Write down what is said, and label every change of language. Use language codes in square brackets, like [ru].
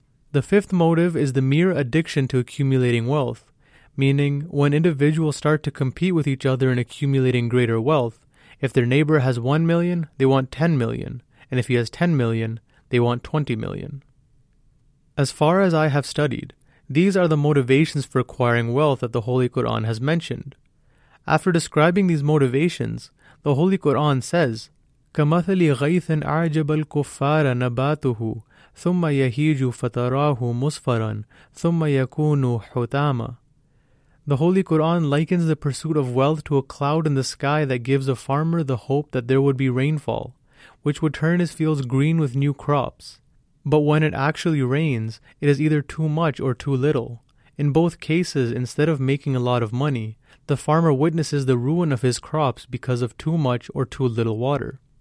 [en] The fifth motive is the mere addiction to accumulating wealth, meaning when individuals start to compete with each other in accumulating greater wealth, if their neighbor has 1 million, they want 10 million, and if he has 10 million, they want 20 million. As far as I have studied, these are the motivations for acquiring wealth that the Holy Quran has mentioned. After describing these motivations, the Holy Quran says, [ar] كَمَثَلِ غَيْثٍ أَعْجَبَ الْكُفَّارَ نَبَاتُهُ ثُمَّ يَهِيجُ فَتَرَاهُ مُصْفَرًا ثُمَّ يَكُونُ حُطَامًا. [en] The Holy Quran likens the pursuit of wealth to a cloud in the sky that gives a farmer the hope that there would be rainfall, which would turn his fields green with new crops. But when it actually rains, it is either too much or too little. In both cases, instead of making a lot of money, the farmer witnesses the ruin of his crops because of too much or too little water.